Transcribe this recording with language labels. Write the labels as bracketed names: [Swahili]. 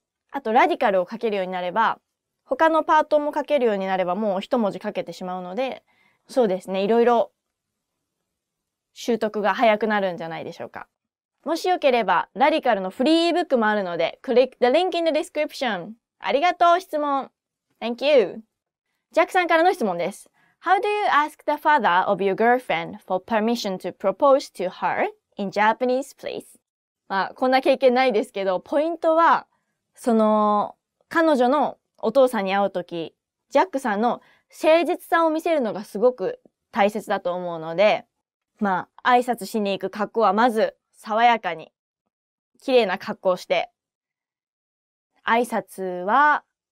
[Japanese] あと、ラディカルを書けるようになれば、他のパートも書けるようになればもう一文字書けてしまうので、そうですね、いろいろ習得が早くなるんじゃないでしょうか。もしよければ、ラディカルのフリーブックもあるので、 [English] click the link in the description. [Japanese] ありがとう、質問。 [English] Thank you. [Japanese] ジャックさんからの質問です。 [English] How do you ask the father of your girlfriend for permission to propose to her in Japanese, please? [Japanese] まあ、こんな経験ないですけど、ポイントは、その、彼女のお父さんに会うとき、ジャックさんの誠実さを見せるのがすごく大切だと思うので、まあ、挨拶しに行く格好はまず、爽やかに、綺麗な格好をして、挨拶は、